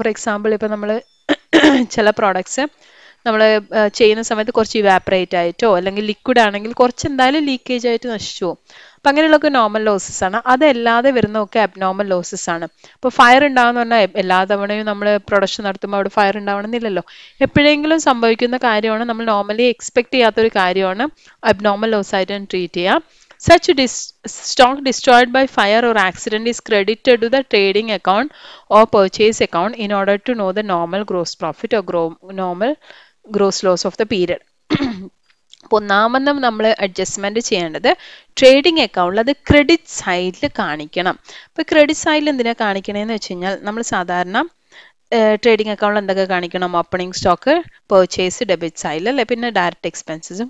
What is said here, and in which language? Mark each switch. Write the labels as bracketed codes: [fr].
[ml] For example, ഇപ്പോൾ നമ്മൾ ചില പ്രോഡക്ട്സ് നമ്മൾ ചെയ്യുന്ന സമയത്ത് കുറച്ച് ഇവാപ്പറേറ്റ് ആയിട്ടോ അല്ലെങ്കിൽ ലിക്വിഡ് ആണെങ്കിൽ കുറച്ച് എന്തായാലും ലീക്കേജ് ആയിട്ട് നശിച്ചു പോകും. അപ്പോൾ അങ്ങനെയുള്ളൊക്കെ നോർമൽ ലോസസ് ആണ്. അതല്ലാതെ വരുന്നതൊക്കെ അബ്നോർമൽ ലോസസ് ആണ്. ഇപ്പോൾ ഫയർ ഉണ്ടാകുന്ന പറഞ്ഞാൽ എല്ലാ തവണയും നമ്മൾ പ്രൊഡക്ഷൻ നടത്തുമ്പോൾ അവിടെ ഫയർ ഉണ്ടാവണമെന്നില്ലല്ലോ. എപ്പോഴെങ്കിലും സംഭവിക്കുന്ന കാര്യമാണ്, നമ്മൾ നോർമലി എക്സ്പെക്ട് ചെയ്യാത്തൊരു കാര്യമാണ്, അബ്നോർമൽ ലോസ് ആയിട്ടാണ് ട്രീറ്റ് ചെയ്യുക. [en] such stock destroyed by fire or accident is credited to the trading account or purchase account in order to know the normal gross profit or normal gross loss of the period. [ml] അപ്പോൾ ഒന്നാമെന്നും നമ്മൾ adjustment ചെയ്യേണ്ടത് trading അക്കൗണ്ടിൽ അത് credit സൈഡിൽ കാണിക്കണം. അപ്പോൾ credit സൈഡിൽ എന്തിനാണ് കാണിക്കണമെന്ന് വെച്ച് കഴിഞ്ഞാൽ നമ്മൾ സാധാരണ ട്രേഡിംഗ് അക്കൗണ്ടിൽ എന്തൊക്കെ കാണിക്കണം, ഓപ്പണിംഗ് സ്റ്റോക്ക്, പെർച്ചേസ്, ഡെബിറ്റ് സൈഡിൽ അല്ലെ, പിന്നെ ഡയറക്റ്റ് എക്സ്പെൻസസും.